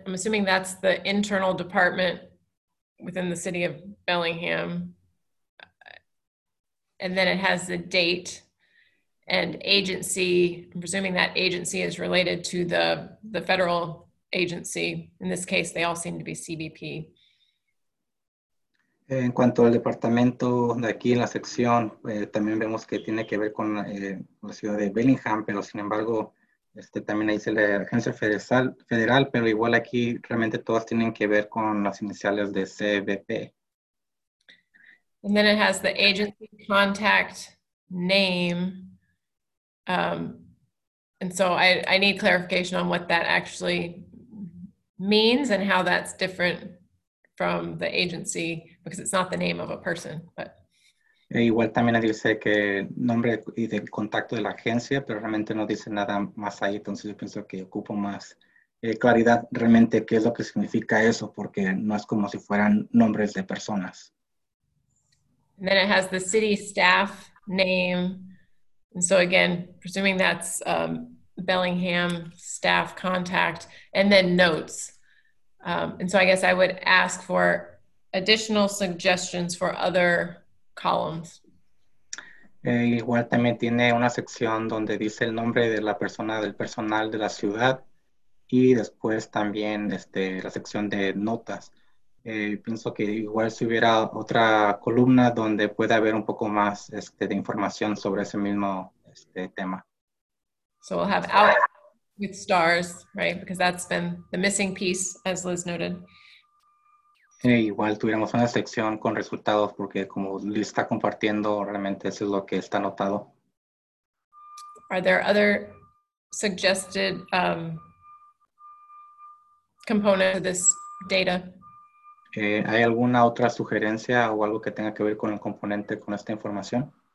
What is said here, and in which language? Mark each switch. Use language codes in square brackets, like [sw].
[en] I'm assuming that's the internal department within the city of Bellingham. And then it has the date and agency. I'm presuming that agency is related to the federal agency. In this case, they all seem to be CBP. [es] En cuanto al departamento de aquí en la sección, también vemos que tiene que ver con la ciudad de Bellingham, pero sin embargo, también ahí dice la agencia federal, pero igual aquí realmente todas tienen que ver con las iniciales de CBP. [en] And then it has the agency contact name. And so I need clarification on what that actually means and how that's different from the agency, because it's not the name of a person, but. [es] Igual también dice que nombre y de contacto de la agencia, pero realmente no dice nada más ahí. Entonces yo pienso que ocupo más claridad realmente qué es lo que significa eso, porque no es como si fueran nombres de personas. [en] And then it has the city staff name. And so again, presuming that's Bellingham staff contact, and then notes. And so I guess I would ask for additional suggestions for other columns. [es] Igual también tiene una sección donde dice el nombre de la persona, del personal de la ciudad, y después también la sección de notas. Pienso que igual si hubiera otra columna donde pueda haber un poco más de información sobre ese mismo tema. [en] So we'll have out with stars, right? Because that's been the missing piece, as Liz noted. [es] Igual tuviéramos una sección con resultados porque como Liz está compartiendo, realmente eso es lo que está anotado. [en] Are there other suggested components of this data? [es] ¿Hay alguna otra sugerencia o algo que tenga que ver con el componente con esta información?